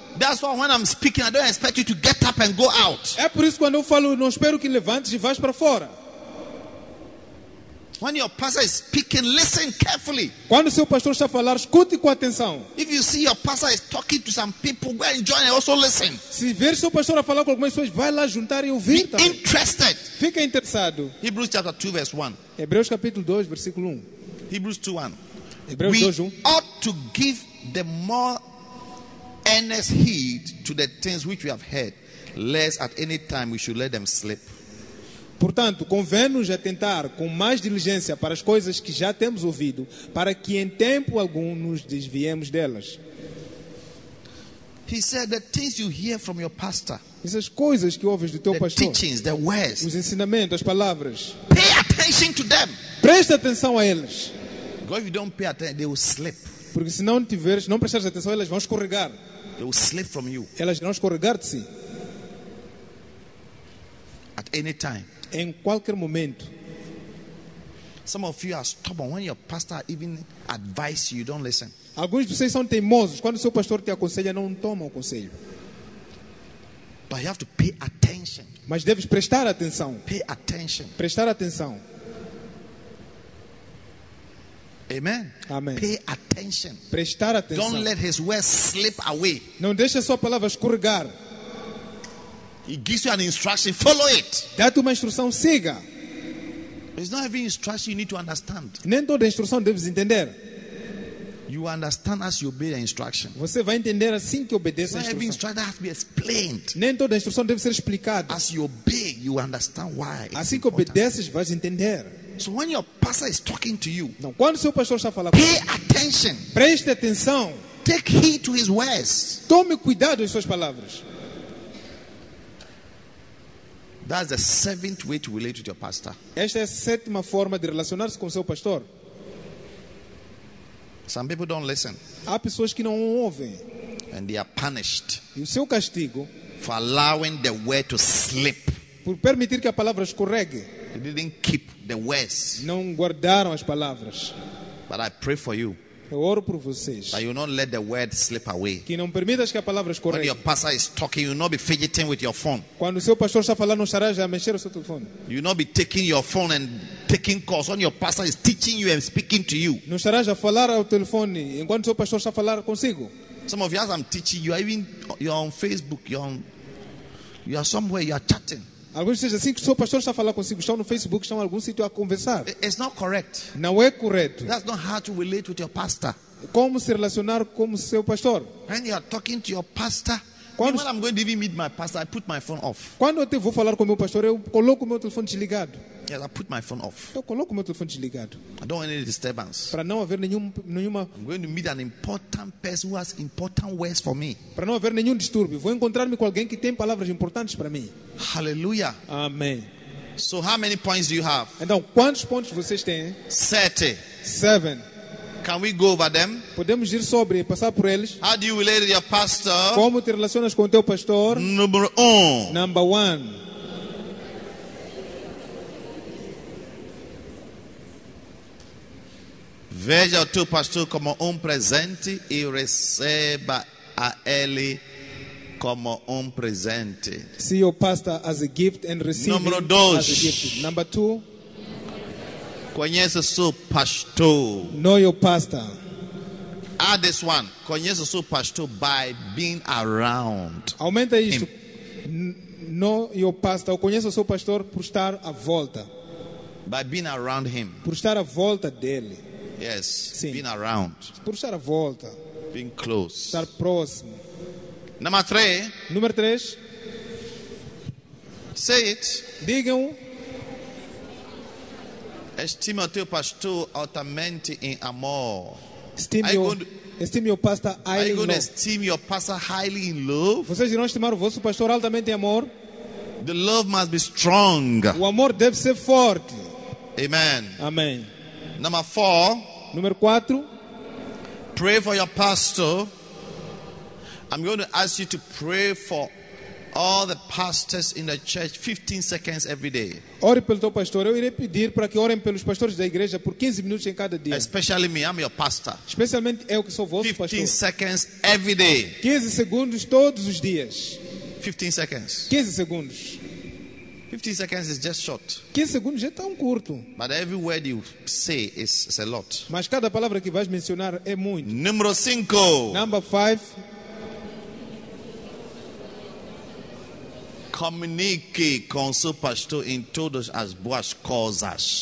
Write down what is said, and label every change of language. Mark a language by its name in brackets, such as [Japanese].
[English] That's why when I'm speaking, I don't expect you to get up and go out. [Portuguese] É por isso que quando eu falo, não espero que levantes e vás para fora. [English] When your pastor is speaking, listen carefully. [Portuguese] Quando seu pastor está a falar, escute com atenção. [English] If you see your pastor is talking to some people, go and join and also listen. [Portuguese] Se ver seu pastor a falar com algumas pessoas, vai lá juntar e ouvir. [English] Be interested. [Portuguese] Fique interessado. [English] Hebrews chapter 2 verse 1. [Portuguese] Hebreus capítulo 2 versículo 1. [English] Hebrews 2 1. [Portuguese] Hebreus 2 1. [English] We ought to give the more earnest heed to the things which we have heard, lest at any time we should let them slip. [Portuguese] Portanto, convém-nos atentar com mais diligência para as coisas que já temos ouvido, para que em tempo algum nos desviemos delas. [English] He said the things you hear from your pastor. [Portuguese] Essas coisas que ouves do teu [English] the [Portuguese] pastor. [English] Teachings, the words. [Portuguese] Os ensinamentos, as palavras. [English] Pay attention to them. [Portuguese] Presta atenção a eles. [English] Because if you don't pay attention, they will slip. [Portuguese] Porque se não tiveres, não prestares atenção, elas vão escorregar. [English] They will slip from you. [Portuguese] Elas vão escorregar de si. [English] At any time. [Portuguese] Em qualquer momento. [English] Some of you are stubborn when your pastor even advises you, don't listen. [Portuguese] Alguns de vocês são teimosos quando seu pastor te aconselha, não toma o conselho. [English] But you have to pay attention. [Portuguese] Mas deves prestar atenção. [English] Pay attention. [Portuguese] Prestar atenção. [English] Amen. [Portuguese] Amen. [English] Pay attention. [Portuguese] Prestar atenção. [English] Don't let his word slip away. [Portuguese] Não deixe a sua palavra escorregar. [English] He gives you an instruction. Follow it. [Portuguese] Dá-te uma instrução, siga. [English] It's not every instruction you need to understand. [Portuguese] Nem toda instrução deves entender. [English] You understand as you obey the instruction. [Portuguese] Você vai entender assim que obedece a instrução. [English] Every instruction has to be explained. [Portuguese] Nem toda instrução deve ser explicada. [English] As you obey, you understand why. [Portuguese] Assim que obedeces, vais entender. [English] So when your pastor is talking to you, [Portuguese] não, quando seu pastor está falando, [English] pay attention. [Portuguese] Preste atenção. [English] Take heed to his words. [Portuguese] Tome cuidado em suas palavras. [English] That's the seventh way to relate with your pastor. [Portuguese] Esta é a sétima forma de relacionar-se com seu pastor. [English] Some people don't listen. [Portuguese] Há pessoas que não ouvem. [English] And they are punished. [Portuguese] E o seu castigo [English] for allowing the word to slip. [Portuguese] Por permitir que a palavra escorregue. [English] They didn't keep the words. [Portuguese] Não guardaram as palavras. [English] But I pray for you. [Portuguese] Eu oro por vocês. [English] That you not let the word slip away. [Portuguese] Que não permitas que a palavra escorregue. [English] When your pastor is talking, you not be fidgeting with your phone. [Portuguese] Quando o seu pastor está falando, não estarás a mexer o seu telefone. [English] You not be taking your phone and taking calls when your pastor is teaching you and speaking to you. [Portuguese] Não estarás a falar ao telefone enquanto o seu pastor está a falar consigo. [English] Some of you, as I'm teaching you, even you're on Facebook, you are somewhere, you are chatting. [Portuguese] Alguns dizem assim que o seu pastor está a falar consigo, estão no Facebook, estão em algum sítio a conversar. [English] It's not correct. [Portuguese] Não é correto. [English] That's not how to relate with your pastor. [Portuguese] Como se relacionar com o seu pastor? [English] When you are talking to your pastor, quando, when I'm going to even meet my pastor, I put my phone off. [Portuguese] Quando eu vou falar com meu pastor, eu coloco o meu telefone desligado. [English] Yes, I put my phone off. [Portuguese] Eu coloco o meu telefone desligado. [English] I don't want any disturbance. [Portuguese] Para não haver nenhuma. [English] I'm going to meet an important person who has important words for me. [Portuguese] Para não haver nenhum distúrbio, vou encontrar-me com alguém que tem palavras importantes para mim. [English] Hallelujah. [Portuguese] Amém. [English] So how many points do you have? [Portuguese] Então, quantos pontos vocês têm? [English] 30. [Portuguese] 7. [English] Can we go over them? [Portuguese] Podemos ir sobre, passar por eles. [English] How do you relate to your pastor? [Portuguese] Como te relacionas com o teu pastor? [English] Number 1. Number 1. [Portuguese] Veja o teu pastor como presente e receba a ele como presente. [English] See your pastor as a gift and receive him as a gift. Number 2. [Portuguese] Conheça seu pastor. [English] Know your pastor. Add this one. [Portuguese] Conheça seu pastor [English] by being around. [Portuguese] Aumenta isso. [English] Know your pastor. [Portuguese] Conheça seu pastor por estar à volta. [English] By being around him. [Portuguese] Por estar à volta dele. [English] Yes. [Portuguese] Sim. [English] Being around. [Portuguese] Por estar à volta. [English] Being close. [Portuguese] Estar próximo. [English] Number 3. [Portuguese] Número 3. [English] Say it. [Portuguese] Digam. Estime o teu pastor altamente em amor. [English] Estime your pastor highly in love. Are you going to esteem your pastor highly in love? [Portuguese] Vocês irão estimar o vosso pastor altamente em amor? [English] The love must be strong. [Portuguese] O amor deve ser forte. [English] Amen. [Portuguese] Amém. [English] Number 4. [Portuguese] Número 4. [English] Pray for your pastor. I'm going to ask you to pray for all the pastors in the church 15 seconds every day. [Portuguese] Ore pelo teu pastor. Eu irei pedir para que orem pelos pastores da igreja por 15 minutos em cada dia. [English] Especially me, I'm your pastor. [Portuguese] Especialmente eu que sou vosso pastor. [English] 15 seconds every day. [Portuguese] 15 segundos todos os dias. [English] 15 seconds. [Portuguese] 15 segundos. [English] 15 seconds is just short. [Portuguese] 15 segundos é tão curto. [English] But every word you say is a lot. [Portuguese] Mas cada palavra que vais mencionar é muito. Número 5. [English] Number 5. [Portuguese] Comunique com seu pastor em todas as boas coisas.